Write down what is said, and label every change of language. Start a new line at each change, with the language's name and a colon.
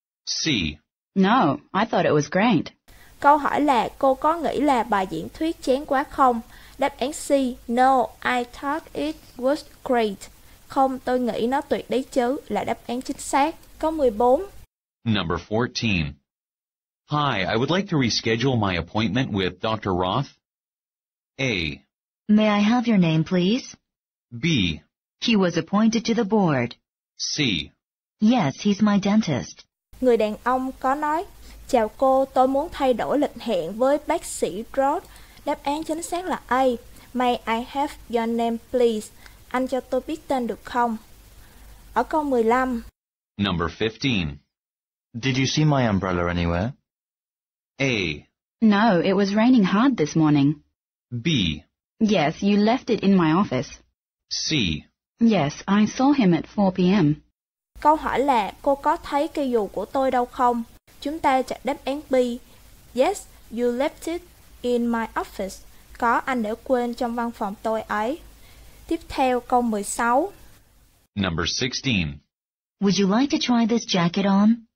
English: C. No, I thought it was great.
Vietnamese: Câu hỏi là cô có nghĩ là bài diễn thuyết chán quá không? Đáp án C.
English: No, I thought it was great.
Vietnamese: Không, tôi nghĩ nó tuyệt đấy chứ, là đáp án chính xác. Câu 14.
English: Number 14. Hi, I would like to reschedule my appointment with Dr. Roth. A. May I have your name, please? B. He was appointed to the board. C. Yes, he's my dentist.
Vietnamese: Người đàn ông có nói, chào cô, tôi muốn thay đổi lịch hẹn với bác sĩ Roth. Đáp án chính xác là A.
English: May I have your name, please?
Vietnamese: Anh cho tôi biết tên được không? Ở câu 15.
English: Number 15. Did you see my umbrella anywhere? A. No, it was raining hard this morning. B. Yes, you left it in my office. C. Yes, I saw him at 4 p.m.
Vietnamese: Câu hỏi là, cô có thấy cây dù của tôi đâu không? Chúng ta chọn đáp án B.
English: Yes, you left it in my office.
Vietnamese: Có, anh đã quên trong văn phòng tôi ấy. Tiếp theo, câu 16.
English: Number 16. Would you like to try this jacket on?